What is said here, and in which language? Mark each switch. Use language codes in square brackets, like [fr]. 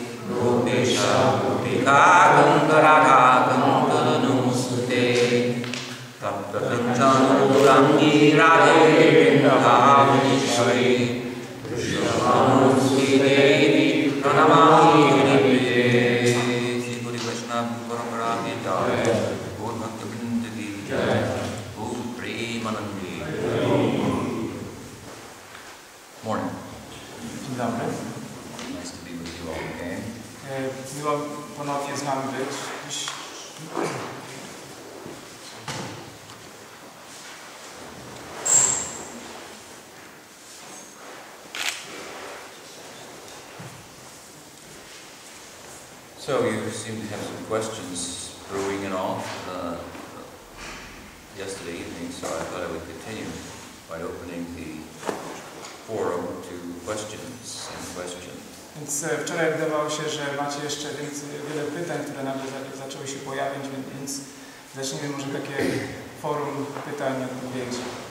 [sa] रूपेशा रूपिका कंकराघा कंकरनुसुते तप्त चंचनुरंगी राधे वृंदावनेश्वरी कृष्णमानुषी देवी प्रणमामि गुरुवे [hi] श्री गुरु कृष्णा परंपरा के तारे बोल भक्तवृंद की जय हो Premanandi [pl] Dzień dobry. [en] Nice to be with you all again. [pl] Miło ponownie z nami być. [en] So you seem to have some questions brewing and all yesterday evening, so I thought I would continue by opening the forum to questions and questions. [pl] Więc wczoraj wydawało się, że macie jeszcze wiele pytań, które nagle zaczęły się pojawiać, więc zacznijmy może takie forum pytań i odpowiedzi.